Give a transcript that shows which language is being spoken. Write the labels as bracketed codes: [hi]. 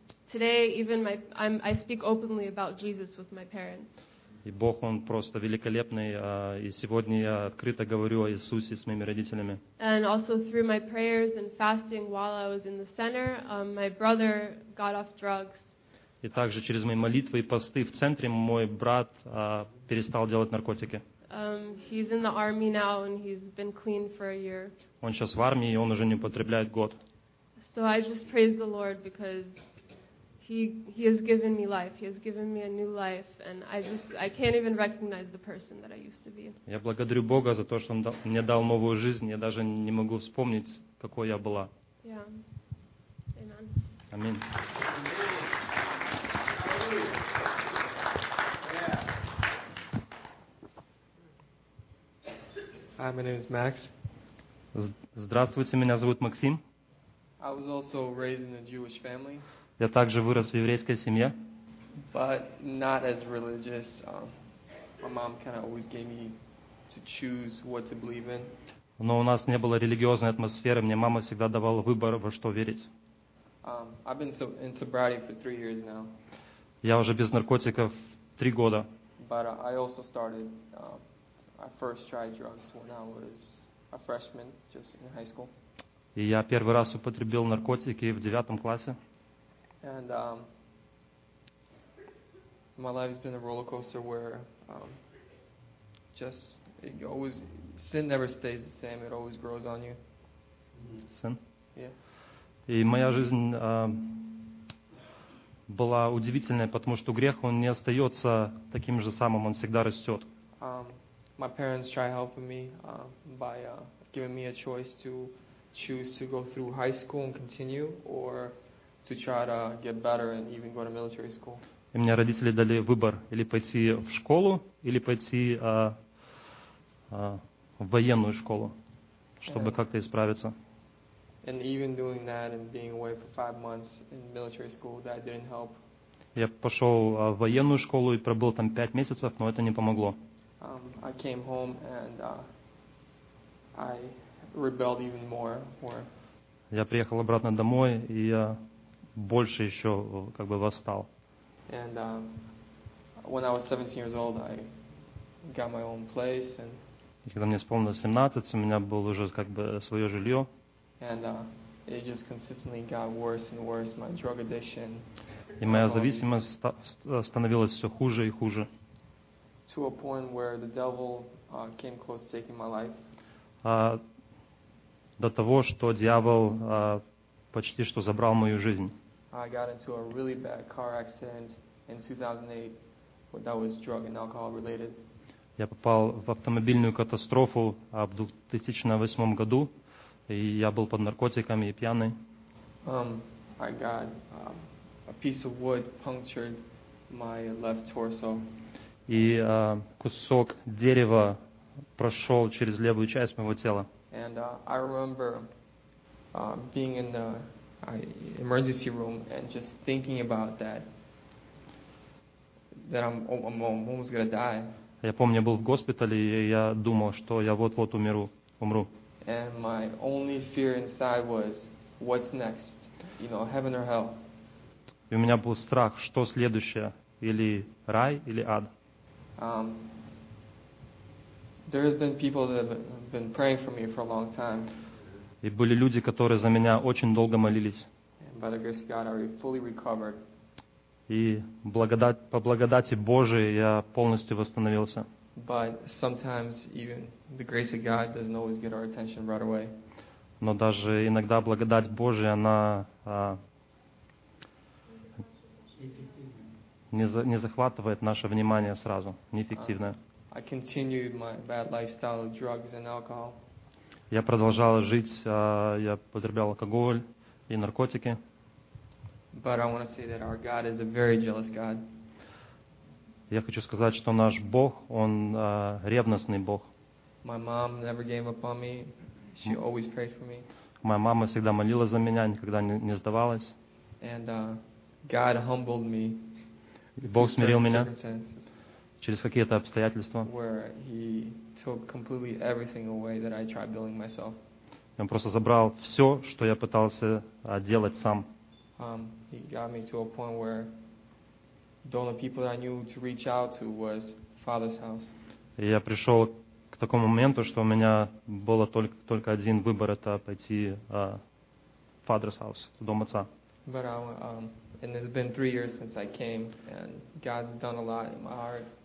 [en] Today, even I speak openly about Jesus with my parents. [ru] И Бог, Он просто великолепный, и сегодня я открыто говорю о Иисусе с моими родителями. [en] And also through my prayers and fasting while I was in the center, my brother got off drugs. [ru] И также через мои молитвы и посты в центре мой брат перестал делать наркотики. [en] He's in the army now and he's been clean for a year. [ru] Он сейчас в армии, и он уже не употребляет год. [en] So I just praise the Lord because he has given me life. He has given me a new life and I can't even recognize the person that I used to be. [ru] Я благодарю Бога за то, что он мне дал новую жизнь. Я даже не могу вспомнить, какой я была. [en] Yeah. Amen. Amen. Hi, my name is Max. [ru] Здравствуйте, меня зовут Максим. [en] I was also raised in a Jewish family. [ru] Я также вырос в еврейской семье. [en] But not as religious. My mom kind of always gave me to choose what to believe in. [ru] Но у нас не было религиозной атмосферы. Мне мама всегда давала выбор, во что верить. [en] I've been in sobriety for 3 years now. [ru] Я уже без наркотиков 3 года. [en] But I also started. I first tried drugs when I was a freshman, just in high school. [ru] И я первый раз употребил наркотики в 9 классе. [en] And my life has been a roller coaster where sin never stays the same; it always grows on you. Sin? Yeah. [ru] И моя жизнь была удивительной, потому что грех, он не остается таким же самым, он всегда растет. [en] My parents try helping me by giving me a choice to choose to go through high school and continue, or to try to get better and even go to military school. [ru] И мне родители дали выбор, или пойти в школу, или пойти в военную школу, чтобы как-то исправиться. [en] And even doing that and being away for 5 months in military school, that didn't help. [ru] Я пошел в военную школу и пробыл там 5 месяцев, но это не помогло. [en] I came home and I rebelled even more. [ru] Я приехал обратно домой и я больше еще как бы восстал. [en] And when I was 17 years old, I got my own place. And [ru] когда мне исполнилось 17, у меня было уже как бы свое жилье. [en] And it just consistently got worse and worse. My drug addiction. [ru] И моя зависимость становилась все хуже и хуже. [en] To a point where the devil came close to taking my life. [ru] До того, что дьявол почти что забрал мою жизнь. [en] I got into a really bad car accident in 2008, but that was drug and alcohol related. [ru] Я попал в автомобильную катастрофу в 2008 году. И я был под наркотиками и пьяный. [en] I got a piece of wood punctured my left torso. [ru] И кусок дерева прошел через левую часть моего тела. [en] And I remember being in the emergency room and just thinking about that I'm almost gonna die. [ru] Я помню, я был в госпитале, и я думал, что я вот-вот умру. [en] And my only fear inside was, what's next? You know, heaven or hell? [ru] И у меня был страх, что следующее, или рай, или ад. [en] There has been people that have been praying for me for a long time. [ru] И были люди, которые за меня очень долго молились. [en] And by the grace of God, I fully recovered. [ru] И по благодати Божией я полностью восстановился. [en] But sometimes even the grace of God doesn't always get our attention right away. [ru] Но даже иногда благодать Божия, она не захватывает наше внимание сразу, неэффективная. [en] I continued my bad lifestyle of drugs and alcohol. [ru] Я продолжал жить, я употреблял алкоголь и наркотики. [en] But I want to say that our God is a very jealous God. [ru] Я хочу сказать, что наш Бог, Он ревностный Бог. [en] My mom never gave up on me. She always prayed for me. [ru] Моя мама всегда молилась за меня, никогда не сдавалась. [en] And God humbled me. [ru] Бог смирил меня через какие-то обстоятельства. [en] Where he took completely everything away that I tried building myself. [ru] Он просто забрал все, что я пытался делать сам. [en] He got me to a point where the only people that I knew to reach out to was Father's house. [ru] Я пришел к такому моменту, что у меня было только один выбор, это пойти Father's house, дом отца. [en] But and it's been 3 years since I came, and God's done a lot in my heart.